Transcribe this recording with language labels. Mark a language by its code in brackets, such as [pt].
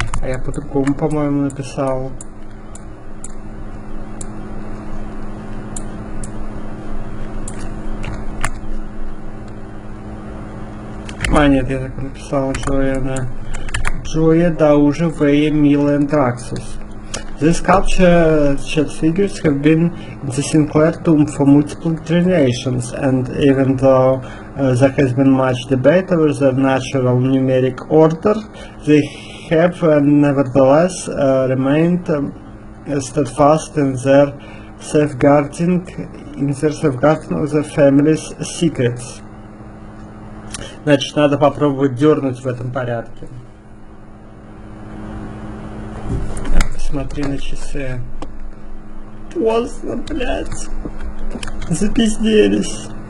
[ru] А я по-другому, по-моему, написал. А, нет, я так написал Джоя, да. Джоя, да, уже Вэя, Мила и Драксус. [en] The sculptured figures have been in the Sinclair tomb for multiple generations, and even though there has been much debate over their natural numeric order, they have nevertheless remained steadfast in their safeguarding, of the family's secrets. [ru] Значит, надо попробовать дернуть в этом порядке. Смотри на часы. Поздно, блядь. Запизделись.